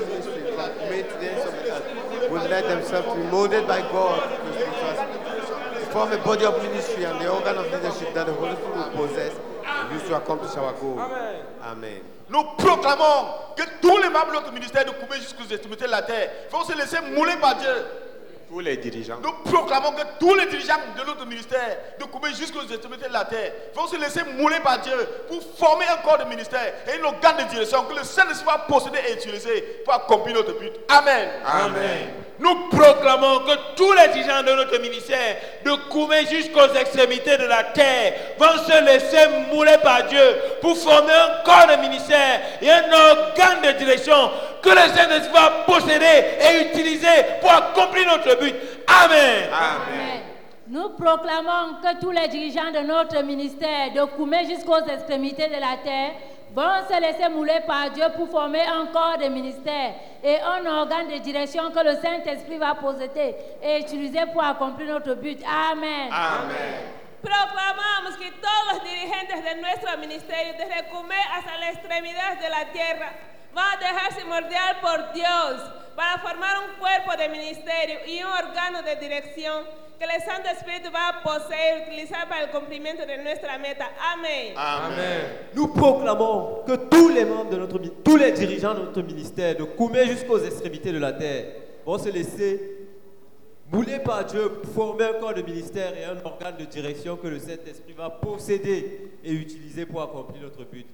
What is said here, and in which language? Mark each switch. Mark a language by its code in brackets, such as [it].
[en] Let themselves be molded by God to form a body of ministry and the organ of leadership that the Holy Spirit will possess and use to accomplish our goal. Amen. [fr] Nous proclamons que tous les membres de notre ministère de Kume jusqu'aux extrémités de la terre vont se laisser mouler par Dieu. Tous les dirigeants. Nous proclamons que tous les dirigeants de notre ministère de Kume jusqu'aux extrémités de la terre vont se laisser mouler par Dieu pour former un corps de ministère et un organe de direction que le Saint-Esprit va posséder et utiliser pour accomplir notre but. Amen. Amen. Nous proclamons que tous les dirigeants de notre ministère de Kume jusqu'aux extrémités de la terre vont se laisser mouler par Dieu pour former un corps de ministère et un organe de direction que le Saint-Esprit va posséder et utiliser pour accomplir notre but. Amen. Amen. Nous proclamons que tous les dirigeants de notre ministère de Kume jusqu'aux extrémités de la terre vont se laisser mouler par Dieu pour former un corps de ministère et un organe de direction que le Saint-Esprit va posséder et utiliser pour accomplir notre but. Amen. Amen. [es] Proclamamos que todos los dirigentes de nuestro ministerio, desde Kume hasta la extremidad de la tierra, van a dejarse moldear por Dios para formar un cuerpo de ministerio y un órgano de dirección que el Santo Espíritu va a poseer y utilizar para el cumplimiento de nuestra meta. Amén. Amén. [fr] Nous proclamons que tous les membres de notre tous les dirigeants de notre ministère, de Kume jusqu'aux extrémités de la terre, vont se laisser mouler par Dieu pour former un corps de ministère et un organe de direction que le Saint-Esprit va posséder et utiliser pour accomplir notre but.